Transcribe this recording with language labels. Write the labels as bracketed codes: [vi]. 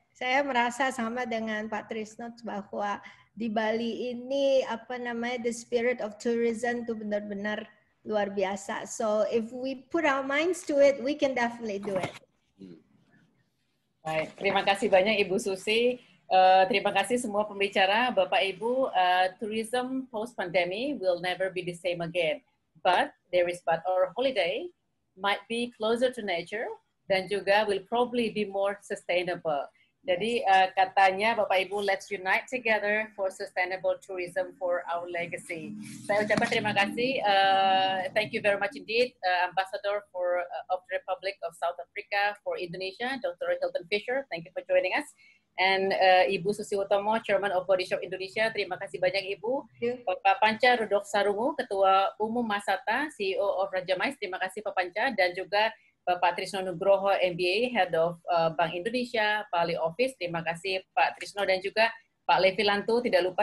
[id] Saya merasa sama dengan Pak Trisno bahwa di Bali ini [en] the spirit of tourism [id] itu benar-benar luar biasa. [en] So if we put our minds to it, we can definitely do it. [id] Baik, terima kasih banyak Ibu Susi. Terima kasih semua pembicara, Bapak Ibu. [en] Tourism post-pandemic will never be the same again. But our holiday might be closer to nature [id] dan juga [en] will probably be more sustainable. [id] Jadi katanya Bapak Ibu, [en] let's unite together for sustainable tourism for our legacy. [id] Saya ucapkan terima kasih. [en] Thank you very much indeed, Ambassador of the Republic of South Africa for Indonesia, Dr. Hilton Fisher. Thank you for joining us. And Ibu Susi Utomo, Chairman of Body Shop Indonesia. [id] Terima kasih banyak Ibu. Bapak Panca Rudolf Sarungu, Ketua Umum Masata, CEO of Raja Mais. Terima kasih Pak Panca. Dan juga Bapak Trisno Nugroho, MBA, [en] Head of Bank Indonesia, Bali Office. [id] Terima kasih Pak Trisno. Dan juga Pak Levi Lantu, tidak lupa.